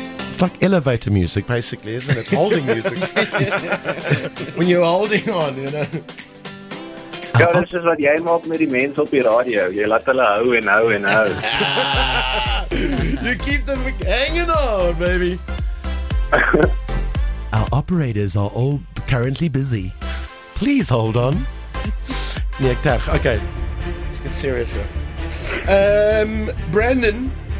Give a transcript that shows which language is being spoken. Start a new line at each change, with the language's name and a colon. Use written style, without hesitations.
English: It's like elevator music, basically, isn't it? Holding music. When you're holding on, you know.
Afrikaans: Ja, dit is wat jy maak met die mens op die radio. Jy laat hulle hou en hou en hou.
English: You keep them hanging on, baby. Our operators are all currently busy. Please hold on.
Afrikaans: Nee, ek terg.
English: Okay. Let's get serious here. Brandon.